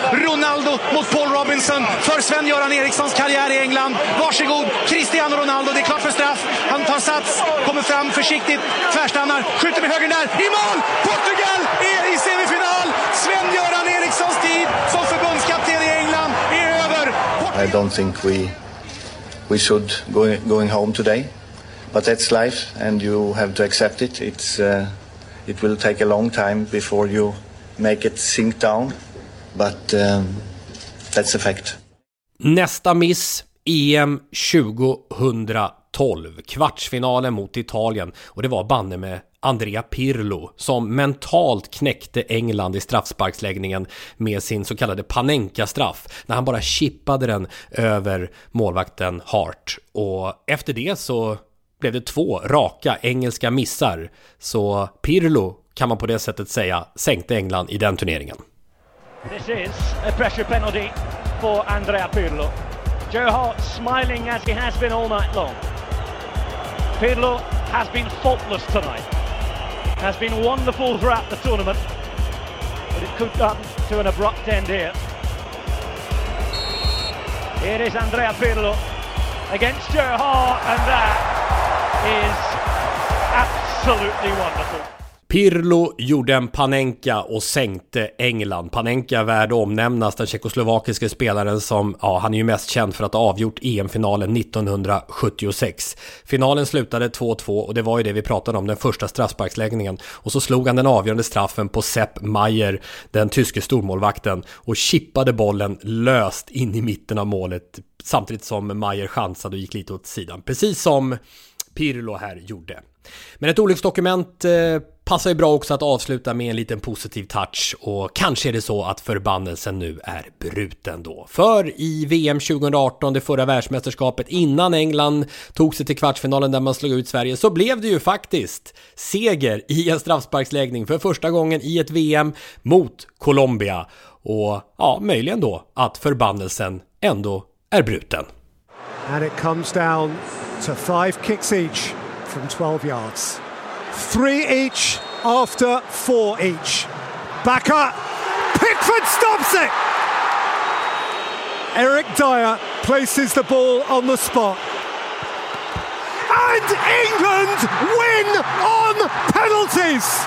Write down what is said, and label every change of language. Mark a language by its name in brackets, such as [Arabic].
[Swedish] Ronaldo mot Paul Robinson för Sven-Göran Erikssons karriär i England. Varsågod, Cristiano Ronaldo, det är klart för straff. Han tar sats, kommer fram försiktigt, tvärstannar, skjuter med höger där. I mål! Portugal är i semifinal! Sven-Göran Erikssons tid som förbundskapten i England är över. [English] I don't think we should going home today. But that's life, and you have to accept it. It will take a long time before you make it sink down, but that's a fact. [Swedish] Nästa miss, EM 2012, kvartsfinalen mot Italien, och det var banne med Andrea Pirlo som mentalt knäckte England i straffsparksläggningen med sin så kallade panenka-straff när han bara chippade den över målvakten Hart. Och efter det så blev det två raka engelska missar, så Pirlo, kan man på det sättet säga, sänkte England i den turneringen. [English] This is a pressure penalty for Andrea Pirlo. Joe Hart smiling as he has been all night long. Pirlo has been faultless tonight. Has been wonderful throughout the tournament. But it could come to an abrupt end here. Here is Andrea Pirlo against Joe Hart, and that is absolutely wonderful. [Swedish] Pirlo gjorde en panenka och sänkte England. Panenka värd att omnämnas, den tjeckoslovakiske spelaren som, ja, han är ju mest känd för att ha avgjort EM-finalen 1976. Finalen slutade 2-2 och det var ju det vi pratade om, den första straffsparksläggningen. Och så slog han den avgörande straffen på Sepp Maier, den tyske stormålvakten, och chippade bollen löst in i mitten av målet samtidigt som Maier chansade och gick lite åt sidan. Precis som Pirlo här gjorde. Men ett olycksdokument passar ju bra också att avsluta med en liten positiv touch, och kanske är det så att förbannelsen nu är bruten då. För i VM 2018, det förra världsmästerskapet, innan England tog sig till kvartsfinalen där man slog ut Sverige, så blev det ju faktiskt seger i en straffsparksläggning för första gången i ett VM mot Colombia. Och ja, möjligen då att förbannelsen ändå är bruten. [English] And it comes down to five kicks each from 12 yards. Three each after four each. Backer, Pickford stops it! Eric Dier places the ball on the spot. And England win on penalties!